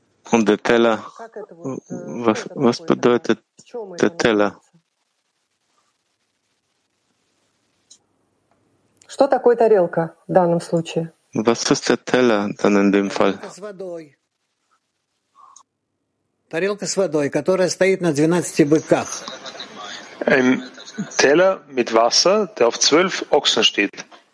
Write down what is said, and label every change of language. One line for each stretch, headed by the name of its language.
German: Und der Teller, was bedeutet der Teller?
Russian: Что такое тарелка в данном случае?
German: Was ist der Teller dann in dem Fall?
Russian: Тарелка с водой, которая стоит на 12 быках.
German: Ein Teller mit Wasser, der auf 12 Ochsen steht.